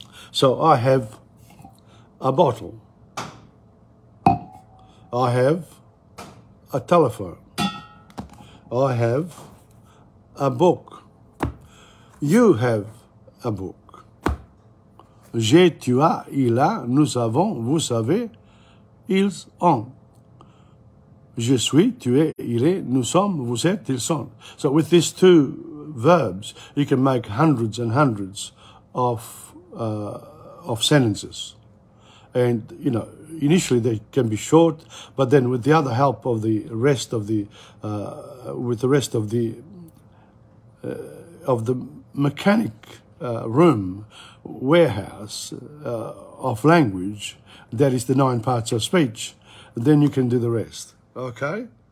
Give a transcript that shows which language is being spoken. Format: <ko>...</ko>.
<en>So I have a bottle. I have a telephone. I have a book. You have a book.</en> <fr>J'ai, tu as, il a, nous avons, vous savez, ils ont. Je suis, tu es, il est, nous sommes, vous êtes, ils sont.</fr> <en>So with these two verbs, you can make hundreds and hundreds of sentences. And, you know, initially they can be short, but then with the other help of the rest of the, of language, that is the nine parts of speech, then you can do the rest. Okay?</en>